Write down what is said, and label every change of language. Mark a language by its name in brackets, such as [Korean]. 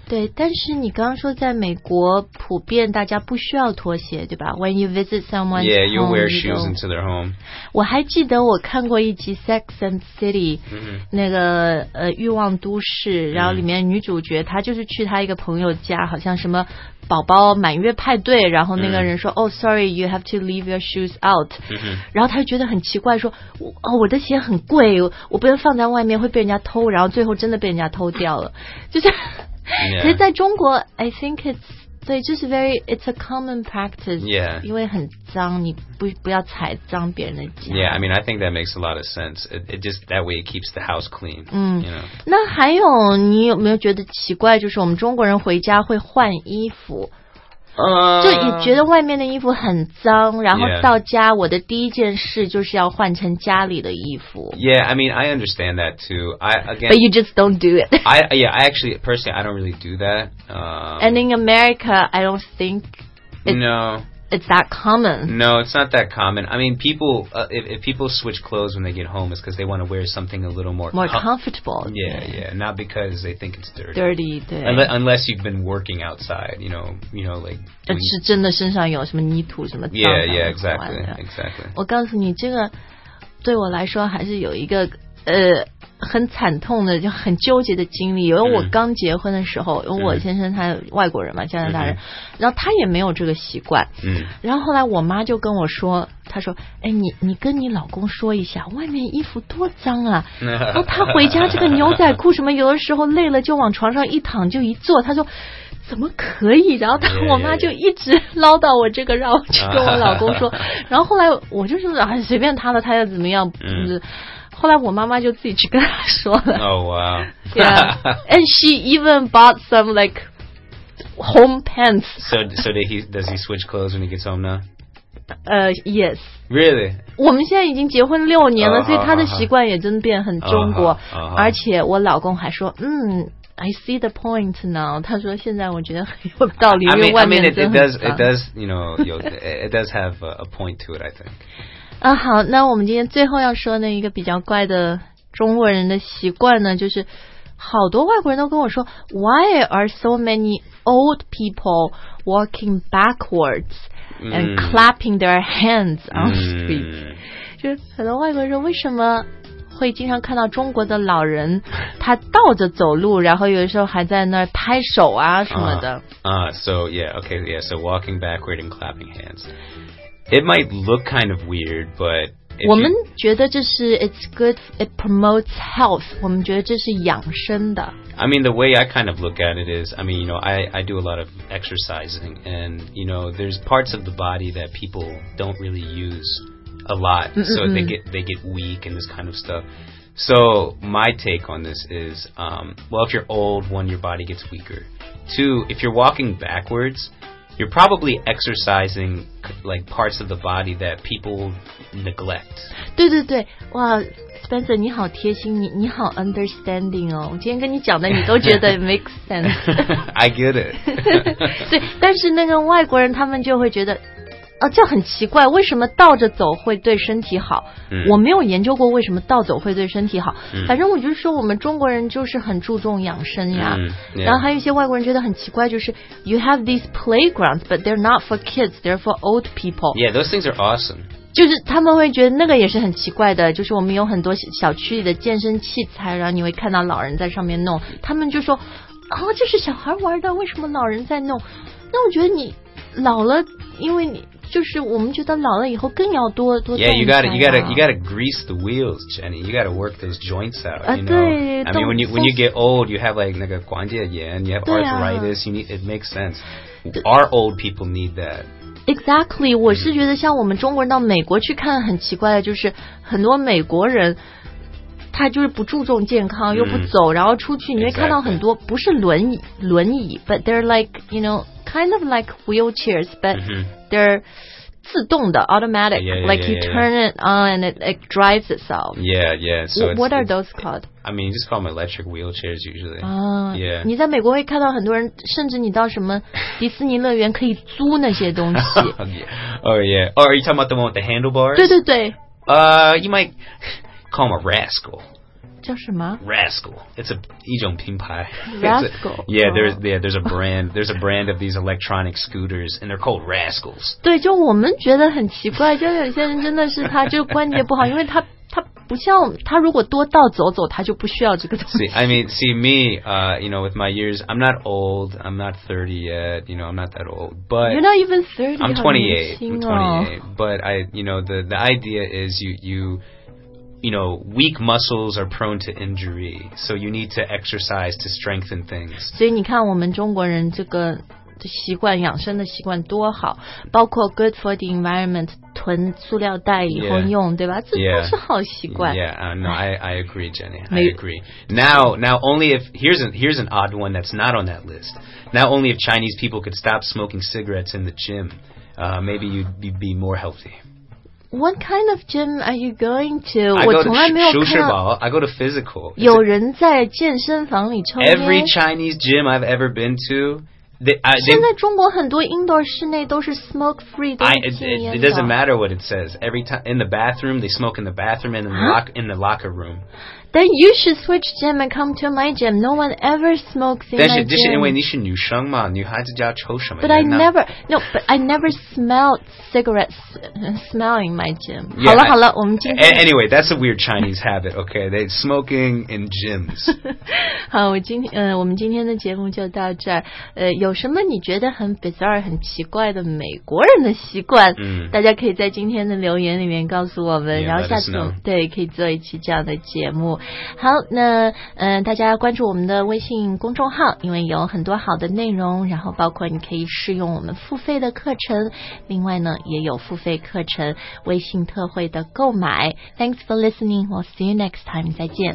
[Chinese] 对，但是你刚刚说在美国普遍大家不需要拖鞋，对吧？ [English] When you visit someone's home. Yeah, you'll wear shoes into their home. [Chinese] 我还记得我看过一集 Sex and City, 那个欲望都市，然后里面女主角她就是去她一个朋友家，好像什么宝宝满月派对，然后那个人说 [English] Oh, sorry, you have to leave your shoes out. [Chinese] 然后他就觉得很奇怪，说哦，我的鞋很贵，我不能放在外面会被人家偷，然后最后真的被人家偷掉了。就是、 [English] yeah. [Chinese] 其实在中国 [English] I think it's [Chinese] 对，就是 [English] very, it's a common practice. Yeah. [Chinese] 因为很脏，你 不要踩脏别人的脚。 [English] Yeah, I mean, I think that makes a lot of sense. It just, that way it keeps the house clean. 嗯， you know? [Chinese] 那还有你有没有觉得奇怪，就是我们中国人回家会换衣服。就也觉得外面的衣服很脏，然后到家、 [English] yeah. [Chinese] 我的第一件事就是要换成家里的衣服。 [English] Yeah, I mean, I understand that too. I, again, but you just don't do it. I actually, personally, I don't really do that. And in America, I don't think No. it's that common. No, it's not that common. I mean, people, if people switch clothes when they get home, it's because they want to wear something a little more comfortable. Yeah, yeah, not because they think it's dirty. Dirty, 对。 Unless you've been working outside, you know, like... [Chinese] 是真的身上有什么泥土什么脏的。 [English] Yeah, yeah, exactly. [Chinese] 我告诉你，这个对我来说还是有一个很惨痛的就很纠结的经历，因为我刚结婚的时候，因为我先生他外国人嘛，加拿大人，然后他也没有这个习惯，然后后来我妈就跟我说，她说哎，你跟你老公说一下外面衣服多脏啊，然后他回家这个牛仔裤什么有的时候累了就往床上一躺就一坐，他说怎么可以，然后他我妈就一直唠叨我这个，让我去跟我老公说，然后后来我就是哎，随便他了，他要怎么样，后来我妈妈就自己去跟她说了。 [English] Oh, wow. Yeah. And she even bought some, like, home pants. So does he switch clothes when he gets home now? Yes. Really? [Chinese] 我们现在已经结婚六年了，所以他的习惯也真的变很中国。而且我老公还说， [English] I see the point now. [Chinese] 他说现在我觉得很有道理，因为外面真的很脏。 [English] It does have a point to it, I think. [Chinese] 啊，好，那我们今天最后要说的一个比较怪的中国人的习惯呢，就是好多外国人都跟我说 ， [English] Why are so many old people walking backwards and clapping their hands on street？ [Chinese] 就很多外国人说，为什么会经常看到中国的老人他倒着走路，然后有的时候还在那儿拍手啊什么的。 [English] So walking backward and clapping hands. It might look kind of weird, but... [Chinese] 我们觉得这是 [English] it's good, it promotes health. [Chinese] 我们觉得这是养生的。 [English] I mean, the way I kind of look at it is, I mean, you know, I do a lot of exercising, and, you know, there's parts of the body that people don't really use a lot, so they get weak and this kind of stuff. So my take on this is, well, if you're old, one, your body gets weaker. Two, if you're walking backwards... You're probably exercising like parts of the body that people neglect. [Chinese] 对对对，哇 ，Spencer， 你好贴心，你好 understanding 哦。我今天跟你讲的，你都觉得 [English] makes sense. I get it. [Chinese] 对，但是那个外国人他们就会觉得，啊，这很奇怪，为什么倒着走会对身体好？我没有研究过为什么倒走会对身体好。反正我就说我们中国人就是很注重养生呀。然后还有一些外国人觉得很奇怪，就是 [English] you have these playgrounds, but they're not for kids, they're for old people. Yeah, those things are awesome. [Chinese] 就是他们会觉得那个也是很奇怪的，就是我们有很多小区里的健身器材，然后你会看到老人在上面弄，他们就说，哦，这是小孩玩的，为什么老人在弄？那我觉得你老了，因为你。就是我们觉得老了以后更要多动一下。 [English] Yeah, you gotta grease the wheels, Jenny. You gotta work those joints out. You know? [Chinese] 对。 [English] I mean, when you get old, you have like [Chinese] 那个关节炎, [English] you have arthritis. You need it makes sense. Our old people need that. Exactly. [Chinese] 我是觉得像我们中国人到美国去看很奇怪的，就是很多美国人。他就是不注重健康，又不走，然后出去你会看到很多、 [English] exactly. [Chinese] 不是轮椅 [English] ，but they're like you know kind of like wheelchairs, but they're [Chinese] 自动的 automatic, [English] yeah, like you turn it on and it drives itself. Yeah, yeah. So what are those called? I mean, you just call them electric wheelchairs usually. Oh, yeah. [Chinese] 你在美国会看到很多人，甚至你到什么迪士尼乐园可以租那些东西。 [English] Oh, yeah. Oh, are you talking about the one with the handlebars? [Chinese] 对对对。 [English] You might call them a rascal. [Chinese] 叫什么 [English] Rascal. It's a [Chinese] 一种品牌 [English] Rascal. There's a brand of these electronic scooters, and they're called Rascals. [Chinese] 对，就我们觉得很奇怪，就有些人真的是他就关节不好，因为他不像他如果多倒走走，他就不需要这个东西。 [English] See, I mean, with my years, I'm not old. I'm not 30 yet. You know, I'm not that old. But you're not even 30. I'm 28. But I, you know, the idea is you know, weak muscles are prone to injury, so you need to exercise to strengthen things. [Chinese] 所以你看我们中国人这个习惯养生的习惯多好，包括 [English] good for the environment, [Chinese] 囤塑料袋以后用，对吧？这都是好习惯。 [English] Yeah, no, I agree, Jenny. I agree. Now only if, here's an odd one that's not on that list. Now only if Chinese people could stop smoking cigarettes in the gym, maybe you'd be more healthy. What kind of gym are you going to? I go to physical. [Chinese] 有人在健身房里抽烟? [English] Every Chinese gym I've ever been to, they, [Chinese] 现在中国很多 indoor 室内都是 smoke-free, 都是禁烟的。 [English] It doesn't matter what it says. Every time, in the bathroom, they smoke in the bathroom and in the locker room. Then you should switch gym and come to my gym. No one ever smokes in my gym. [Chinese] 但是因为你是女生嘛，女孩子家抽什么烟呢? [English] But I never smelled cigarettes smelling my gym. Yeah, [Chinese] 好了好了，我们今天。 [English] Anyway, that's a weird Chinese habit, okay? They smoking in gyms. [Chinese] 好，我们今天的节目就到这儿。有什么你觉得很 bizarre, 很奇怪的美国人的习惯？嗯、mm.。大家可以在今天的留言里面告诉我们， [English] yeah, [Chinese] 然后下次对可以做一期这样的节目。好，那大家关注我们的微信公众号，因为有很多好的内容，然后包括你可以试用我们付费的课程，另外呢也有付费课程微信特惠的购买。 [English] Thanks for listening. We'll see you next time. [Chinese] 再见，